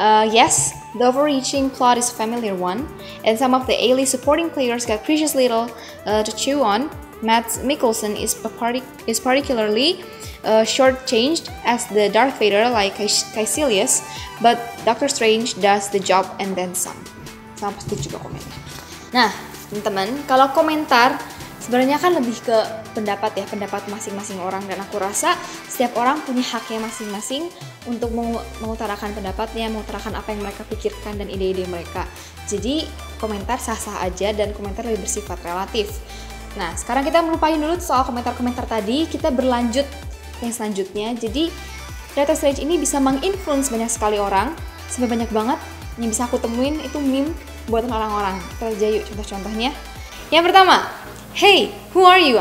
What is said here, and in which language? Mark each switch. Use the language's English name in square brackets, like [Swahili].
[English] Yes, the overreaching plot is a familiar one, and some of the A-list supporting players got precious little to chew on. Mads Mikkelsen is particularly shortchanged as the Darth Vader like Caecilius, but Doctor Strange does the job and then some." [Indonesian] Sama positif juga komennya. Nah, teman-teman, kalau komentar sebenarnya kan lebih ke pendapat ya, pendapat masing-masing orang, dan aku rasa setiap orang punya haknya masing-masing untuk mengutarakan pendapatnya, mengutarakan apa yang mereka pikirkan dan ide-ide mereka. Jadi komentar sah-sah aja dan komentar lebih bersifat relatif. Nah, sekarang kita melupain dulu soal komentar-komentar tadi, kita berlanjut yang selanjutnya. Jadi Doctor Strange ini bisa menginfluence banyak sekali orang, sampai banyak banget yang bisa aku temuin itu meme buat orang-orang. Kita yuk contoh-contohnya. Yang pertama, [English] "Hey, who are you?